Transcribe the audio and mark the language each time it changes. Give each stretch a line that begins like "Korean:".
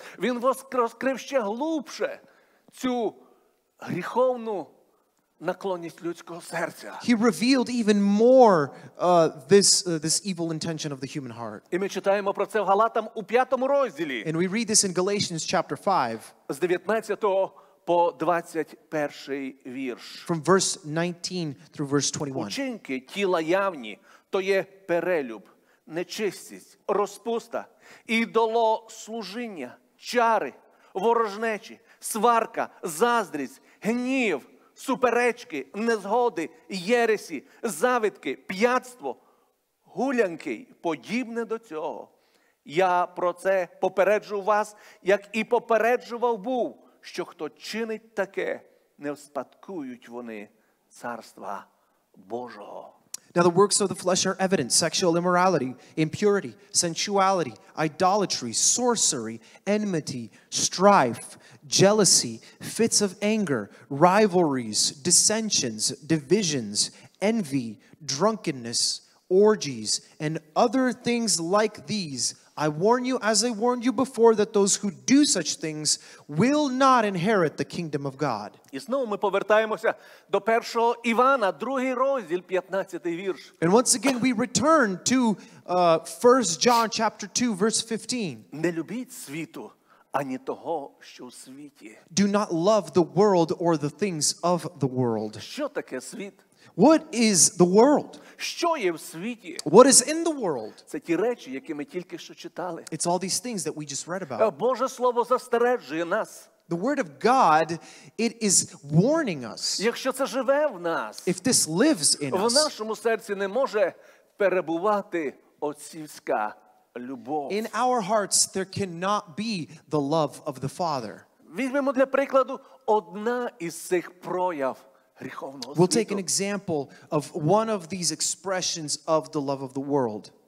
Ukrainian: Він розкрив ще глубше цю гріховну наклонність людського серця.
English: He revealed even more this evil intention of the human heart.
Ukrainian: І ми читаємо про це в Галатам у 5-му розділі.
English: And we read this in Galatians chapter 5.
Ukrainian: З 19-го по 21-й вірш.
English: From verse 19 through verse 21.
Ukrainian: Учинки тіла явні, то є перелюб, нечистість, розпуста, ідолослужіння, чари, ворожнечі, сварка, заздрість, гнів, суперечки, незгоди, єресі, завидки, п'ятство, гулянки, подібне до цього. Я про це попереджу вас, як і попереджував був, що хто чинить таке, не вспадкують вони царства Божого.
English: Now the works of the flesh are evident: sexual immorality, impurity, sensuality, idolatry, sorcery, enmity, strife, jealousy, fits of anger, rivalries, dissensions, divisions, envy, drunkenness, orgies, and other things like these. I warn you, as I warned you before, that those who do such things will not inherit the kingdom of God.
Ukrainian: І знову ми повертаємося до 1 Івана, 2 розділ, 15 вірш.
English: And once again we return to 1 John chapter 2 verse 15.
Ukrainian: Не любіть світу, ані того, що у світі.
English: Do not love the world or the things of the world.
Ukrainian: Що таке світ?
English: What is the world?
Ukrainian: Що є в світі?
English: What is in the world?
Ukrainian: Це ті речі, які ми тільки що читали.
English: It's all these things that we just read about.
Ukrainian: Боже слово застережує нас.
English: The word of God, it is warning us.
Ukrainian: Якщо це живе в нас.
English: If this lives in us.
Ukrainian: В нашому серці не може перебувати отцівська любов.
English: In our hearts there cannot be the love of the Father.
Ukrainian: Візьмемо для прикладу одна із цих прояв.
English: We'll take an example of one of these expressions of the love of the world.